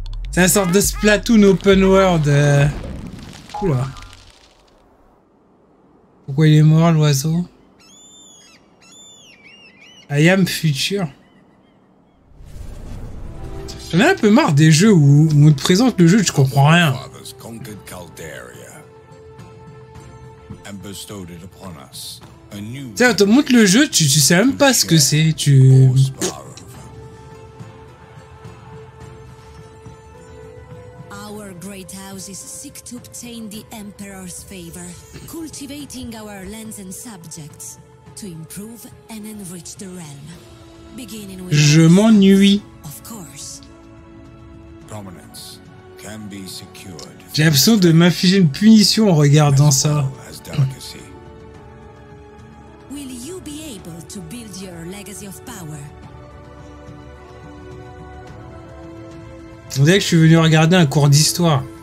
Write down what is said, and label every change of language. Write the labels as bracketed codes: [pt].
[fr] C'est une sorte de Splatoon open world. Oula. Pourquoi il est mort l'oiseau? [en] I am future. [fr] J'en ai un peu marre des jeux où on te présente le jeu, je comprends rien. [en] Our fathers conquered Caldaria and bestowed it upon us. A new... [fr] Tiens, on te montre le jeu, tu sais même pas ce que c'est. Tu... [en] Is seek to obtain the Emperor's favor, cultivating our lands and subjects to improve and enrich the realm. Beginning with... [fr] Je m'ennuie. [en] Of course. Prominence can be secured. [fr] J'ai l'impression de m'infliger une punition en regardant ça. [en] Will you be able to build your legacy of power? [fr] On dirait que je suis venu regarder un cours d'histoire.